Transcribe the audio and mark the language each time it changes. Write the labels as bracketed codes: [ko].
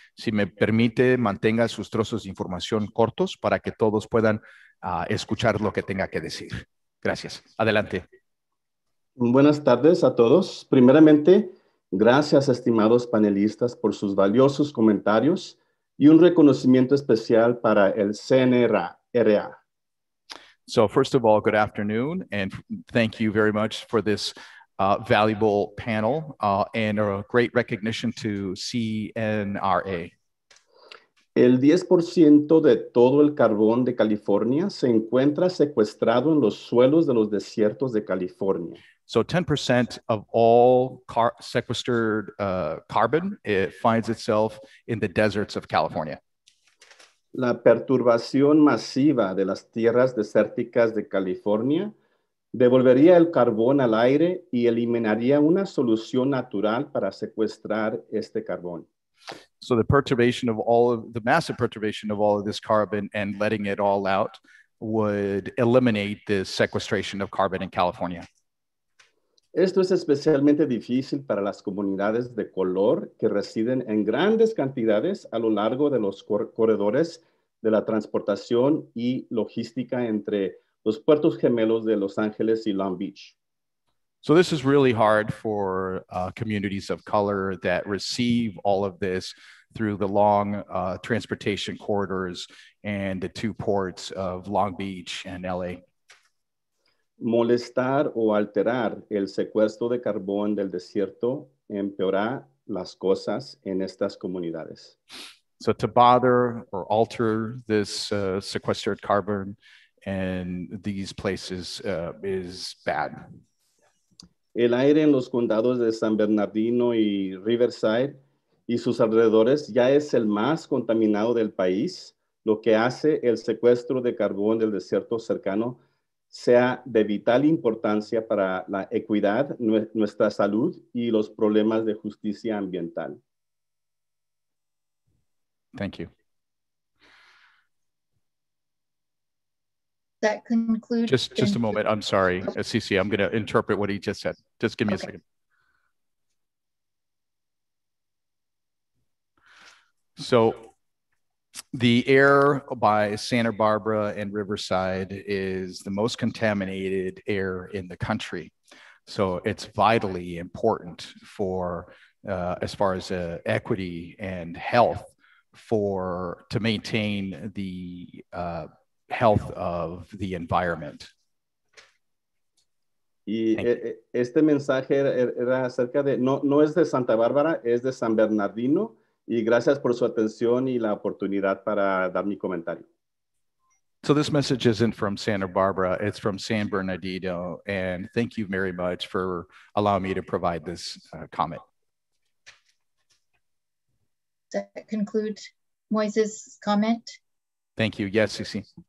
[es] Si me permite, mantenga sus trozos de información cortos para que todos puedan escuchar lo que tenga que decir. Gracias. Adelante. Buenas tardes a todos. Primeramente, gracias, estimados panelistas, por sus valiosos comentarios y un reconocimiento especial para el CNRA. [en] So, first of all, good afternoon, and thank you very much for this valuable panel and a great recognition to CNRA. [es] El 10% de todo el carbón de California se encuentra secuestrado en los suelos de los desiertos de California. [en] So 10% of all sequestered carbon it finds itself in the deserts of California. [es] La perturbación masiva de las tierras desérticas de California devolvería el carbón al aire y eliminaría una solución natural para secuestrar este carbón. [en] So the perturbation of all of the massive perturbation of all of this carbon and letting it all out would eliminate the sequestration of carbon in California. [es] Esto es especialmente difícil para las comunidades de color que residen en grandes cantidades a lo largo de los corredores de la transportación y logística entre los puertos gemelos de Los Ángeles y Long Beach. [en] So this is really hard for communities of color that receive all of this through the long transportation corridors and the two ports of Long Beach and LA. [es] Molestar o alterar el secuestro de carbón del desierto empeorará las cosas en estas comunidades. [en] So to bother or alter this sequestered carbon in these places is bad. [es] El aire en los condados de San Bernardino y Riverside y sus alrededores ya es el más contaminado del país, lo que hace el secuestro de carbón del desierto cercano sea de vital importancia para la equidad, nuestra salud y los problemas de justicia ambiental. [en] Thank you. That concludes. Just a moment. I'm sorry, Cece. I'm going to interpret what he just said. Just give me a second. So the air by Santa Barbara and Riverside is the most contaminated air in the country. So it's vitally important for, as far as equity and health, for to maintain the health of the environment. [es] Y este mensaje era acerca de, no es de Santa Barbara, es de San Bernardino. Y gracias por su atención y la oportunidad para dar mi comentario. [en] So this message isn't from Santa Barbara, it's from San Bernardino. And thank you very much for allowing me to provide this comment. Does that conclude Moises' comment? Thank you. Yes, Cece.